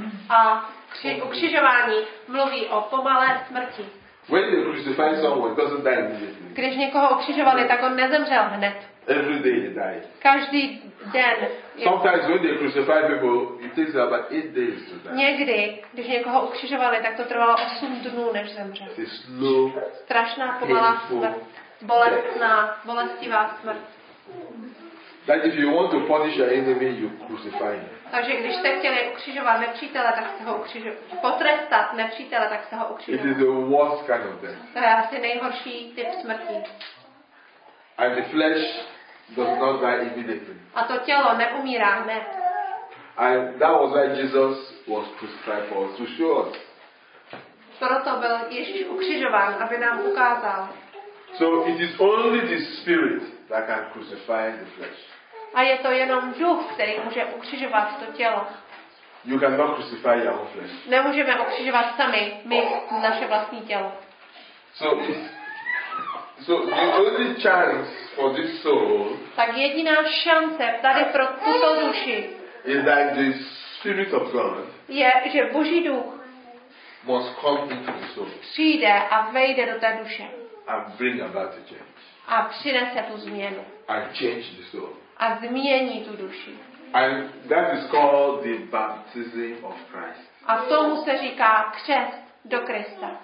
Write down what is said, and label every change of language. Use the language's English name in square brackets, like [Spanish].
[Czech] A ukřižování mluví o pomalé smrti. [English] When they crucify someone, doesn't die immediately. [Czech] Když někoho ukřižovali, tak on nezemřel hned. [English] Every day he died. [Czech] Každý den. [English] Sometimes when they crucify people, it takes about 8 days to die. [Czech] Někdy, když někoho ukřižovali, tak to trvalo 8 dnů, než zemřel. [English] It's slow, [Czech] strašná, pomalá smrt. Bolestná, bolestivá smrt. [English] That if you want to punish your enemy, you crucify him. [Czech] Takže když jste chtěli ukřižovat nepřítele, tak jste ho potrestat nepřítele, tak jste ho ukřižovat. [English] It is the worst kind of death. [Czech] To je asi nejhorší typ smrti. [English] And the flesh does not die immediately. [Czech] A to tělo neumírá hned. [English] And that was why Jesus was crucified for us to show us. [Czech] Proto byl Ježíš ukřižován, aby nám ukázal. [English] So it is only the spirit that can crucify the flesh. [Czech] A je to jenom duch, který může ukřižovat to tělo. [English] You cannot crucify your own flesh. [Czech] Nemůžeme ukřižovat sami my naše vlastní tělo. [English] So the only chance for this soul. [Czech] Tak jediná šance tady pro tuto duši. [English] Is that the spirit of God. [Czech] Je, že Boží duch. [English] Must come into the soul. [Czech] Přijde a vejde do té duše. [English] And bring about the change. [Czech] A přinese tu změnu. [English] And change the soul. [Czech] A změní tu duši. [English] And that is called the baptism of Christ. [Czech] A tomu se říká křest do Krista.